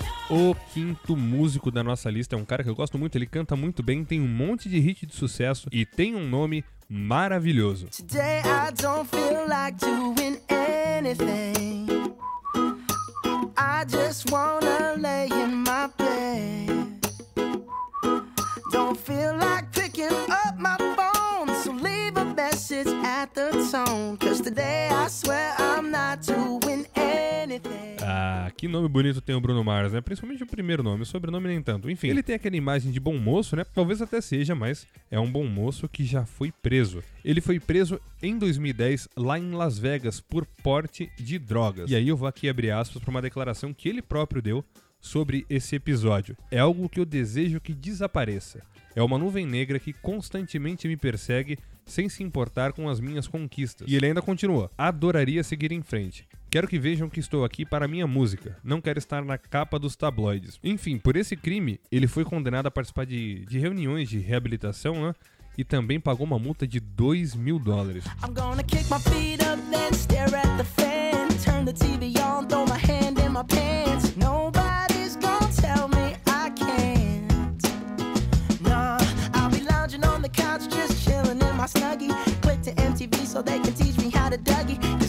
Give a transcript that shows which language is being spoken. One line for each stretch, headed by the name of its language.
Portuguese: O quinto músico da nossa lista é um cara que eu gosto muito, ele canta muito bem, tem um monte de hit de sucesso e tem um nome maravilhoso.
English: Today I don't feel like doing anything. I just wanna lay in my bed. Don't feel like picking up my phone, so leave a message at the tone. Cause today I swear I'm not doing anything.
Portuguese: Ah, que nome bonito tem o Bruno Mars, né? Principalmente o primeiro nome, o sobrenome nem tanto. Enfim, ele tem aquela imagem de bom moço, né? Talvez até seja, mas é um bom moço que já foi preso. Ele foi preso em 2010, lá em Las Vegas, por porte de drogas. E aí eu vou aqui abrir aspas para uma declaração que ele próprio deu sobre esse episódio. É algo que eu desejo que desapareça. É uma nuvem negra que constantemente me persegue sem se importar com as minhas conquistas. E ele ainda continua. Adoraria seguir em frente. Quero que vejam que estou aqui para minha música. Não quero estar na capa dos tabloides. Enfim, por esse crime, ele foi condenado a participar de reuniões de reabilitação, né? E também pagou uma multa de $2,000.
English: I'm gonna kick my feet up and stare at the fan. Turn the TV on, throw my hand in my pants. Nobody's gonna tell me I can't. Nah, I'll be lounging on the couch, just chilling in my snuggie. Click to MTV so they can teach me how to Dougie.